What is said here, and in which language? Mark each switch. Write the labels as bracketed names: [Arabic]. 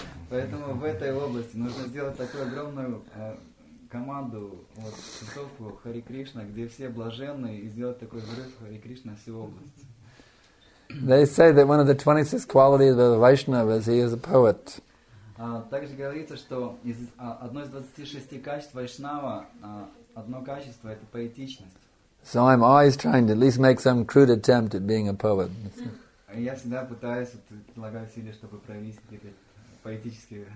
[Russian] Поэтому в этой области нужно сделать такую огромную команду, вот, тусовку Хари Кришна, где все блаженные, и сделать такой взрыв Хари Кришна всю область. [English] They say that one of the 26 qualities of the Vaishnava is he is a poet. [Russian] Также говорится, что из одной из 26 качеств Вайшнава одно качество – это поэтичность. [English] So I'm always trying to at least make some crude attempt at being a poet. [Russian] Я всегда пытаюсь, предлагаю усилия, чтобы проявить какие-то поэтические...